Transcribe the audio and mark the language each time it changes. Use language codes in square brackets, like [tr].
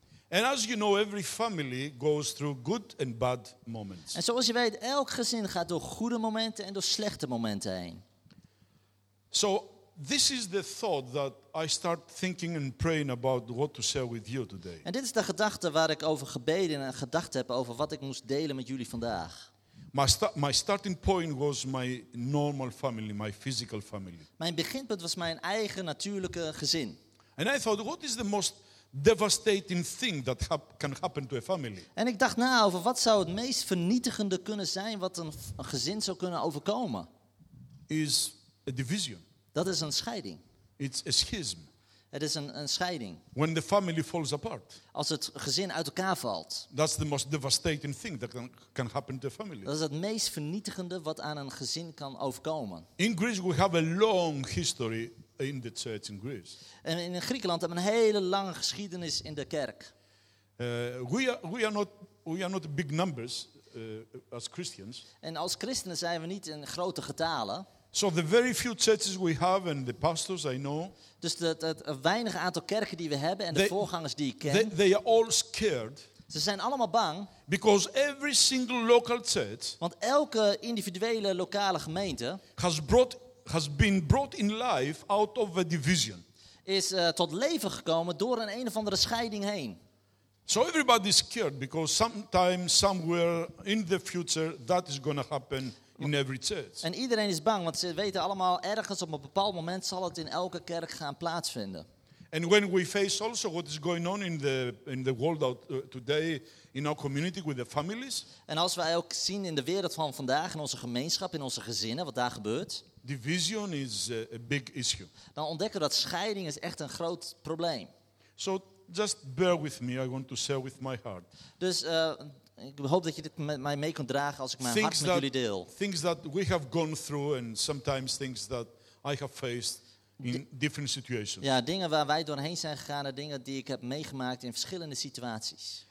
[en] And as you know, every family goes through good and bad moments. [nl] En zoals je weet, elk gezin gaat door goede momenten en door slechte momenten heen. [en] So this is the thought that I start thinking and praying about what to share with you today. [nl] En dit is de gedachte waar ik over gebeden en gedacht heb over wat ik moest delen met jullie vandaag. [en] My starting point was my normal family, my physical family. [nl] Mijn beginpunt was mijn eigen natuurlijke gezin. [en] And I thought, what is the most devastating thing that can happen to a family? [nl] En ik dacht na over wat zou het meest vernietigende kunnen zijn wat een gezin zou kunnen overkomen. [en] Is a division. [nl] Dat is een scheiding. [en] It's a schism. [nl] Het is een scheiding. [en] When the family falls apart. [nl] Als het gezin uit elkaar valt. [en] That's the most devastating thing that can happen to a family. [nl] Dat is het meest vernietigende wat aan een gezin kan overkomen. [en] In Greece we have a long history in the church in Greece. [nl] En in Griekenland hebben we een hele lange geschiedenis in de kerk. [en] We are not big numbers as Christians. [nl] En als christenen zijn we niet in grote getalen. [en] So the very few churches we have and the pastors I know. [nl] Dus het weinige aantal kerken die we hebben en de voorgangers die ik ken. [en] They are all scared. [nl] Ze zijn allemaal bang. [en] Because every single local church. [nl] Want elke individuele lokale gemeente. [en] Has been brought in life out of a division. [nl] Is tot leven gekomen door een of andere scheiding heen. [en] So everybody is scared because sometime somewhere in the future that is going to happen. In every church. [nl] En iedereen is bang, want ze weten allemaal ergens op een bepaald moment zal het in elke kerk gaan plaatsvinden. [en] And when we face also what is going on in the world today in our community with the families. [nl] En als wij ook zien in de wereld van vandaag in onze gemeenschap, in onze gezinnen, wat daar gebeurt. [en] Division is a big issue. [nl] Dan ontdekken we dat scheiding is echt een groot probleem. [en] So just bear with me. I want to share with my heart. [nl] Dus ik hoop dat je dit met mij mee kunt dragen als ik mijn [en] things [nl] hart met jullie deel. [en] Things that we have gone through and sometimes things that I have faced in different situations. [nl] Ja, dingen waar wij doorheen zijn gegaan en dingen die ik heb meegemaakt in verschillende situaties.